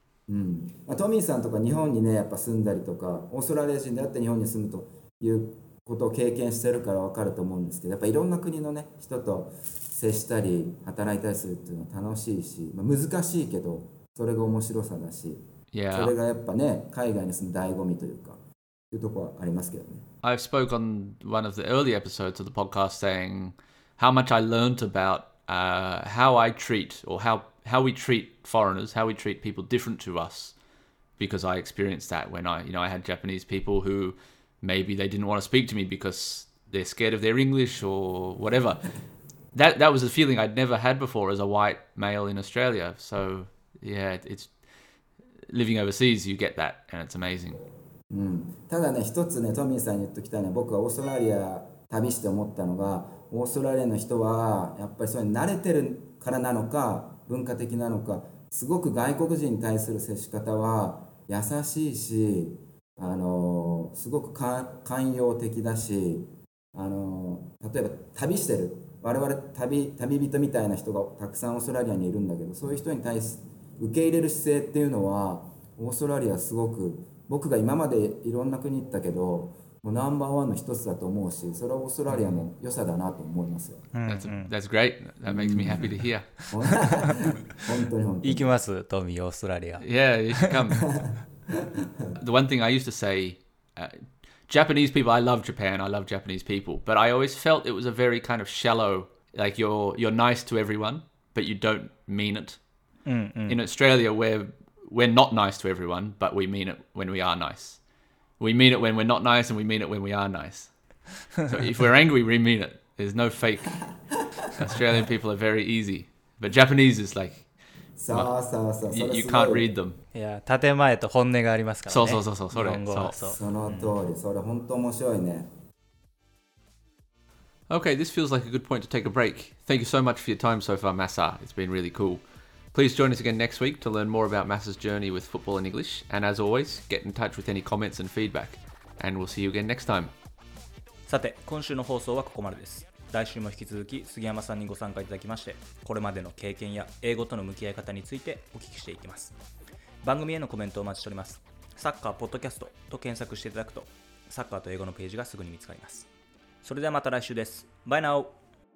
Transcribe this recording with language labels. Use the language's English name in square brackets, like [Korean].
[Japanese] うんまあ、トミーさんとか日本にねやっぱ住んだりとかオーストラリア人であって日本に住むということを経験してるから分かると思うんですけど、やっぱいろんな国のね人と接したり働いたりするっていうのは楽しいし、まあ、難しいけどそれが面白さだし、 [English] yeah. [Japanese] それがやっぱね海外に住む醍醐味というかいうとこはありますけどね。 [English] I've spoke on one of the early episodes of the podcast saying how much I learned about how I treat or how we treat foreigners, how we treat people different to us, because I experienced that when I, you know, I had Japanese people who maybe they didn't want to speak to me because they're scared of their English or whatever. That was a feeling I'd never had before as a white male in Australia. So yeah, it's living overseas, you get that, and it's amazing. [Japanese] ただね、一つね、トミーさんに言っときたいのは、僕はオーストラリア旅して思ったのが、オーストラリアの人はやっぱりそれに慣れてるからなのか、文化的なのか、すごく外国人に対する接し方は優しいし、すごく寛容的だし、例えば旅してる我々 旅人みたいな人がたくさんオーストラリアにいるんだけど、そういう人に対し受け入れる姿勢っていうのはオーストラリアすごく、僕が今までいろんな国行ったけどもうナンバーワンの一つだと思うし、それはオーストラリアの良さだなと思いますよ。 [English] That's great. That makes me happy to hear. [Japanese] 本当に本当に。行きます、トミー、オーストラリア。 [English] Yeah, you should come. The one thing I used to say, Japanese people, I love Japan, I love Japanese people, but I always felt it was a very kind of shallow, like you're nice to everyone, but you don't mean it. In Australia, we're not nice to everyone, but we mean it when we are nice. We mean it when we're not nice, and we mean it when we are nice. So if we're angry, we mean it. There's no fake. Australian people are very easy. But Japanese is like... You can't read them. [Japanese] Yeah, 建前と本音がありますからね。そうそうそう、それ。日本語はそう。その通り。それ本当面白いね。 [English] Okay, this feels like a good point to take a break. Thank you so much for your time so far, Masa. It's been really cool. Please join us again next week to learn more about Masa's journey with football and English. And as always, get in touch with any comments and feedback. and we'll see you again next time. [Japanese] さて、今週の放送はここまでです。来週も引き続き杉山さんにご参加いただきまして、これまでの経験や英語との向き合い方についてお聞きしていきます。番組へのコメントをお待ちしております。サッカーポッドキャストと検索していただくと、サッカーと英語のページがすぐに見つかります。それではまた来週です。バイナオ。